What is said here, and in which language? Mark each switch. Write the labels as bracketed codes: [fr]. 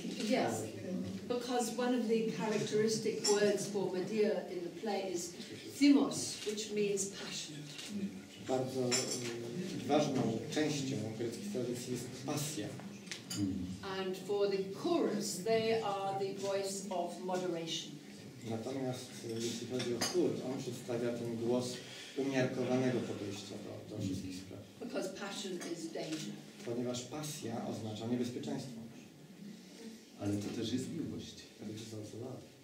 [en] Yes, because one of the characteristic words for Medea in the play is thymos, which means passion. [pl] Bardzo ważną częścią greckiej tradycji jest pasja. [en] And for the chorus, they are the voice of moderation. [pl] Natomiast jeśli chodzi o chór, on przedstawia ten głos umiarkowanego podejścia do wszystkich spraw. [en] Because passion is danger. [pl] Ponieważ pasja oznacza niebezpieczeństwo. Ale to też jest miłość. Ale to są słowa.